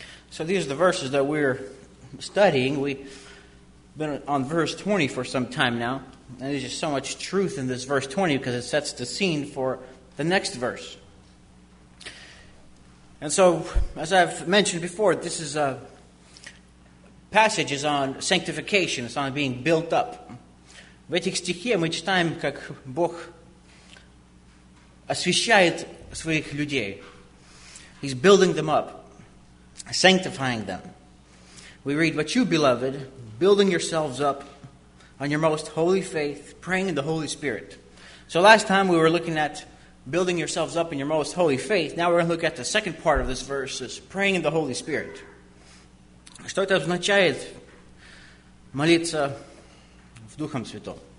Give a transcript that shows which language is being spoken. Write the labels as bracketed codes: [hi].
[en] So these are the verses that we're studying. We've been on verse 20 for some time now, and there's just so much truth in this verse 20 because it sets the scene for the next verse. And so, as I've mentioned before, this is a passage is on sanctification. It's on being built up. [ru] В этих стихах мы читаем, как Бог освящает своих людей. [en] He's building them up, sanctifying them. We read, "But you, beloved, building yourselves up on your most holy faith, praying in the Holy Spirit." So last time we were looking at building yourselves up in your most holy faith. Now we're going to look at the second part of this verse, is praying in the Holy Spirit. [ru] Что это означает молиться в Духом Святом?